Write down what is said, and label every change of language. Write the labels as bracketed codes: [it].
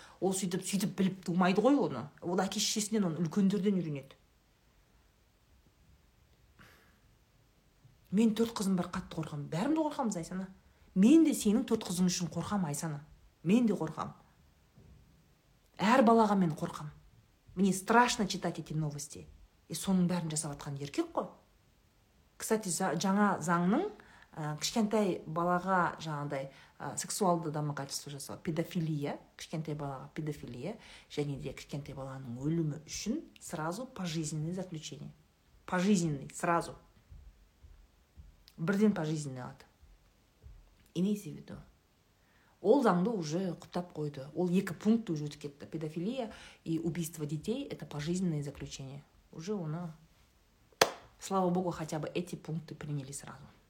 [kk] Ол сөйтіп біліп тумайды ғой оны. Ол әке шешесінен, оны үлкендерден үйренеді. Мен 4 қызым бар, қатты қорқамын. Бәрімді қорқамыз Айсана. Мен де сенің 4 қызың үшін қорқам Айсана. Мен де қорқам. Әр балаға мен қорқам. [ru] Мне страшно читать эти новости. [kk] И соның бәрін жасап жатқан еркек қой. Кстати, жаңа заңның кішкентай балаға жаңағыдай сексуалды дамығатысты жасау, педофилия, кішкентай балаға педофилия, және де кішкентай баланың өлімі үшін [ru] сразу пожизненное заключение. Пожизненный, сразу. [kk] Бірден пожизненный алады. [ru] Имейте в виду. [kk] Ол заңды уже құптап қойды. Ол екі пункт уже өтіп кетті. [ru] Педофилия и убийство детей – это пожизненное заключение. Уже оны, слава богу, хотя бы эти пункты приняли сразу.